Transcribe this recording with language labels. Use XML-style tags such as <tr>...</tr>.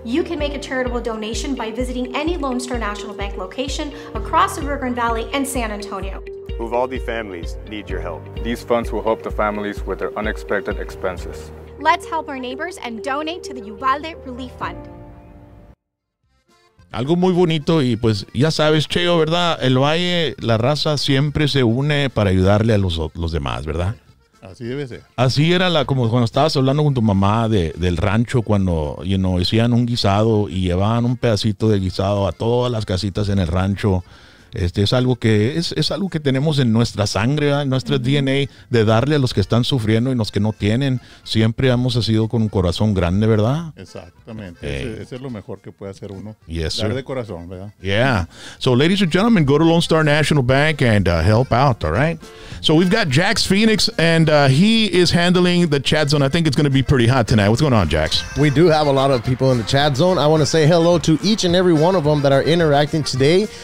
<en>You can make a charitable donation by visiting any Lone Star National Bank location across the Rio Grande Valley and San Antonio. Uvalde families need your help. These funds will help the families with their unexpected expenses. Let's help our neighbors and donate to the Uvalde Relief Fund.</en> <es>Algo muy bonito y pues ya sabes, Cheo, ¿verdad? El Valle, la raza siempre se une para ayudarle a los demás, ¿verdad? Así debe ser. Así era como cuando estabas hablando con tu mamá del rancho, cuando,</es> <en>you know,</en> <es>hacían un guisado y llevaban un pedacito de guisado a todas las casitas en el rancho. Es algo que tenemos en nuestra sangre, ¿verdad? En nuestro DNA, de darle a los que están sufriendo y los que no tienen. Siempre hemos sido con un corazón grande, ¿verdad? Exactamente. Ese es lo mejor que puede hacer uno.</es> <en>Yes,</en> <es>dar de corazón, ¿verdad?</es> <en>Yeah. So, ladies and gentlemen, go to Lone Star National Bank and help out, all right? So, we've got Jax Phoenix, and he is handling the chat zone. I think it's going to be pretty hot tonight. What's going on, Jax? We do have a lot of people in the chat zone. I want to say hello to each and every one of them that are interacting today.</en>